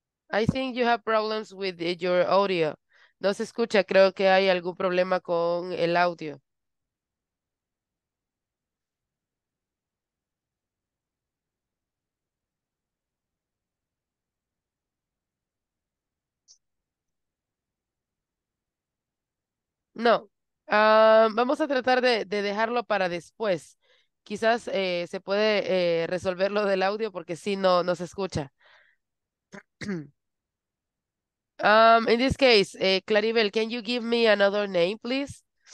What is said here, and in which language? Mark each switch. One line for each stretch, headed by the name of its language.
English: I think you have problems with your audio.
Spanish: No se escucha, creo que hay algún problema con el audio. No. Vamos a tratar de dejarlo para después. Quizás se puede resolver lo del audio porque sí, no se escucha.
English: In this case, Claribel, can you give me another name, please?